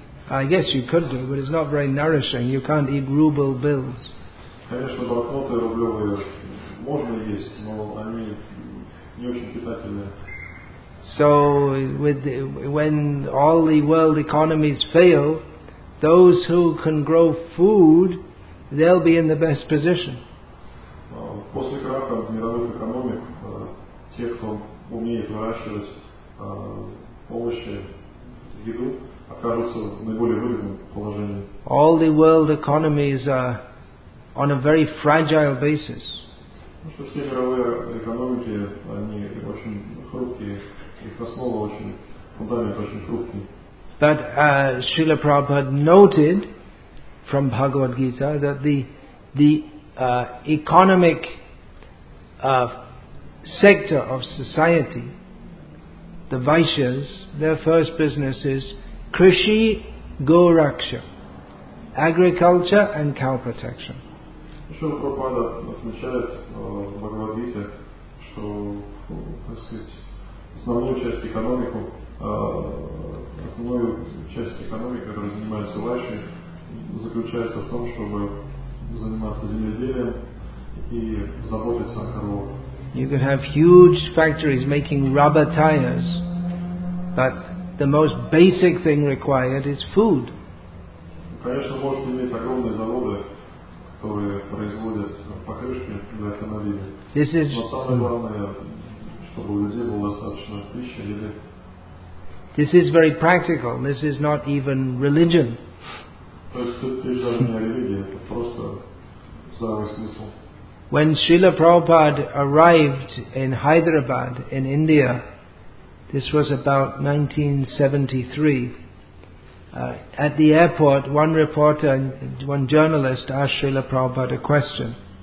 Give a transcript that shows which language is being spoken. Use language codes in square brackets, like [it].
[en] I guess you could do, but it's not very nourishing. You can't eat ruble bills. [ru] Конечно, банкноты рублевые можно есть, но они не очень питательные. [en] So, with the, when all the world economies fail, those who can grow food, they'll be in the best position. [ru] После краха мировых экономик, те, кто умеет выращивать овощи, еду, окажутся в наиболее выгодном положении. [en] All the world economies are on a very fragile basis. [ru] Ну что, все мировые экономики, они очень хрупкие, их основа очень, фундамент очень хрупкий. [en] But Srila Prabhupada noted from Bhagavad Gita that the economic sector of society, the Vaishyas, their first business is Krishi Goraksha, agriculture and cow protection. [ru] Srila Prabhupada отмечает в Bhagavad Gita, что, так сказать, основную часть экономики, которая занимается Ваши, заключается в том, чтобы заниматься земледелием и заботиться о коровах. [en] You could have huge factories making rubber tires, but the most basic thing required is food. [ru] Конечно, может иметь огромные заводы, которые производят покрышки для автомобилей. [en] This is. [ru] Но самое главное, чтобы у людей было достаточно пищи или. [en] This is very practical. This is not even religion. [ru] То есть тут прежде всего не религия, это просто здравый смысл. [en] When Srila Prabhupada arrived in Hyderabad in India, this was about 1973, at the airport one reporter, one journalist asked Srila Prabhupada a question.